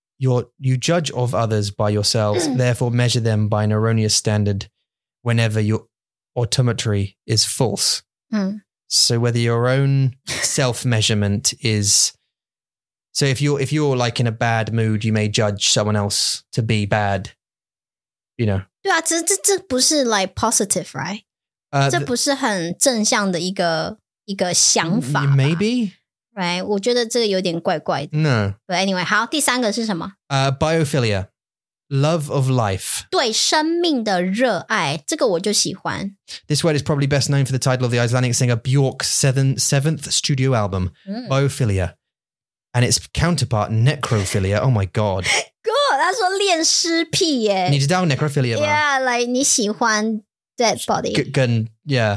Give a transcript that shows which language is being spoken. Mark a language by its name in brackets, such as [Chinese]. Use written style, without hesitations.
[English] You judge of others by yourselves, therefore measure them by an erroneous standard whenever your autometry is false. So whether your own self-measurement is... So if you're like in a bad mood, you may judge someone else to be bad, you know. [Chinese] 对啊，这不是 [English] like positive, right? [Chinese] 这不是很正向的一个想法吧。 [English] Maybe? [Chinese] Right, 我觉得这个有点怪怪的。 [English] No. But anyway, [Chinese] 好，第三个是什么？ [English] Biophilia, love of life. [Chinese] 对生命的热爱，这个我就喜欢。 [English] This word is probably best known for the title of the Icelandic singer Björk's seventh studio album, Biophilia, and its counterpart, Necrophilia. Oh my God. [Chinese] God, 他说恋尸癖耶。你知道 Necrophilia 吗？ [English] Yeah, like [Chinese] 你喜欢 [English] dead body. [Chinese] 跟 yeah.